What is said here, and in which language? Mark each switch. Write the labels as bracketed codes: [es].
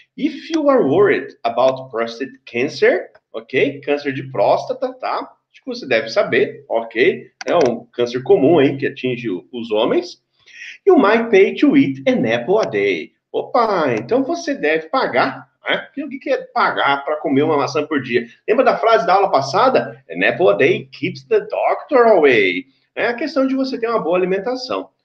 [en] If you are worried about prostate cancer, ok? [pt] Câncer de próstata, tá? Acho que você deve saber, ok? É um câncer comum, hein, que atinge os homens. [en] You might pay to eat an apple a day. [pt] Opa, então você deve pagar, né? O que é pagar para comer uma maçã por dia? Lembra da frase da aula passada? [en] An apple a day keeps the doctor away. [pt] É a questão de você ter uma boa alimentação.